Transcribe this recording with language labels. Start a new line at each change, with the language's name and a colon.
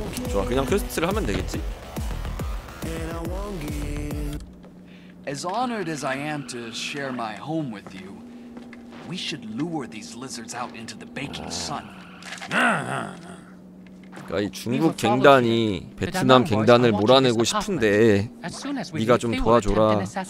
Korean: 좋아, 그냥 퀘스트를 하면 되겠지.
English: As honored as I am to share my home with you, we should lure these lizards out into the baking sun.
Korean: 그러니까 이 중국 갱단이 베트남 갱단을 몰아내고 싶은데 네가 좀 도와줘라.